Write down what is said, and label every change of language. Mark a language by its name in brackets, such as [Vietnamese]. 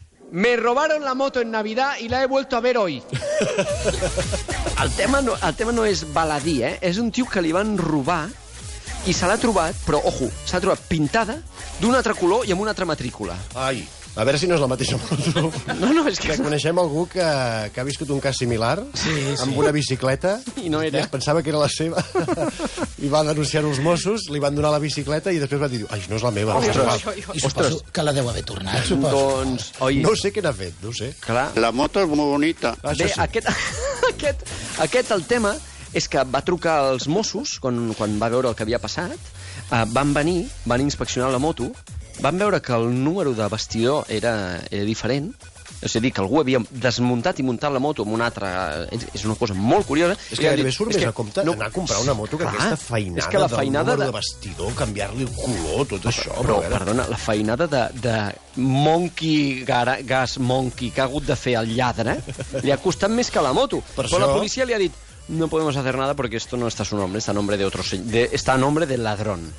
[Spanish] Me robaron la moto en Navidad y la he vuelto a ver hoy. [Catalan] El tema no és baladí, eh? És un tio que li van robar i se l'ha trobat, però, ojo, se l'ha trobat pintada d'un altre color i amb una altra matrícula. Ai... A veure si no és la mateixa moto. No, no, és que... Coneixem algú que ha viscut un cas similar, sí. amb una bicicleta, i no era. I es pensava que era la seva, i va denunciar els Mossos, li van donar la bicicleta, i després va dir, ai, no és la meva. Ostres, que la deu haver tornat. Doncs, no sé què n'ha fet, no sé. Clar. La moto és molt bonita. Bé, aquest el tema és que va trucar als Mossos, quan va veure el que havia passat, van inspeccionar la moto, van veure que el número de bastidor era diferent, és a dir, que algú havia desmuntat i muntat la moto amb una altra... És una cosa molt curiosa. És que gairebé surt més a compte anar a comprar una moto que aquesta feinada és que la feinada del número de bastidor, canviar-li el color, tot això... Però perdona, la feinada de monkey gas monkey que ha hagut de fer el lladre li ha costat més que la moto. Però la policia li ha dit... [Spanish] No podemos hacer nada porque esto no está a su nombre, está a nombre de otro señor, está a nombre del ladrón.